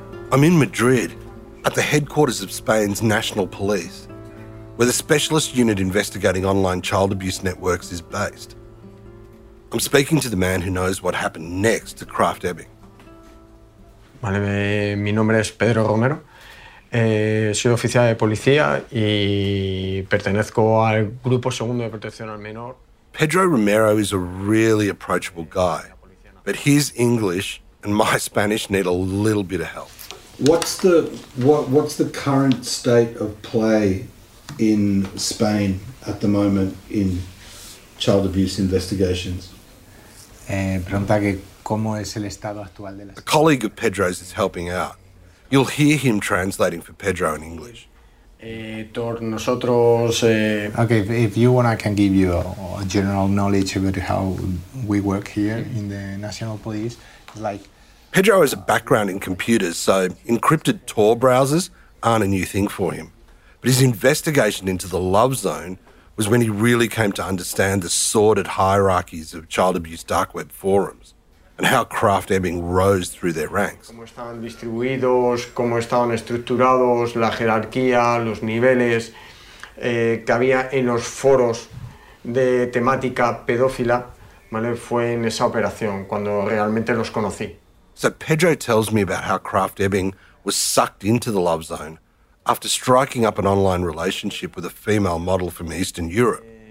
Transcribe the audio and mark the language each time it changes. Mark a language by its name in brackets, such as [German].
[English] I'm in Madrid, at the headquarters of Spain's National Police, where the specialist unit investigating online child abuse networks is based. I'm speaking to the man who knows what happened next to Kraft Ebbing. [Spanish] Vale, mi nombre es Pedro Romero. Soy oficial de policía y pertenezco al grupo segundo de protección al menor. [English] Pedro Romero is a really approachable guy, but his English and my Spanish need a little bit of help. What's the current state of play in Spain at the moment in child abuse investigations? A colleague of Pedro's is helping out. You'll hear him translating for Pedro in English. Okay, if you want, I can give you a general knowledge about how we work here in the National Police. Like, Pedro has a background in computers, so encrypted Tor browsers aren't a new thing for him. But his investigation into the Love Zone was when he really came to understand the sordid hierarchies of child abuse dark web forums and how Kraft Ebbing rose through their ranks. [Spanish] Cómo estaban distribuidos, cómo estaban estructurados, la jerarquía, los niveles que había en los foros de temática pedófila. ¿vale? Fue en esa operación cuando realmente los conocí. [English] So Pedro tells me about how Kraft Ebbing was sucked into the love zone after striking up an online relationship with a female model from Eastern Europe.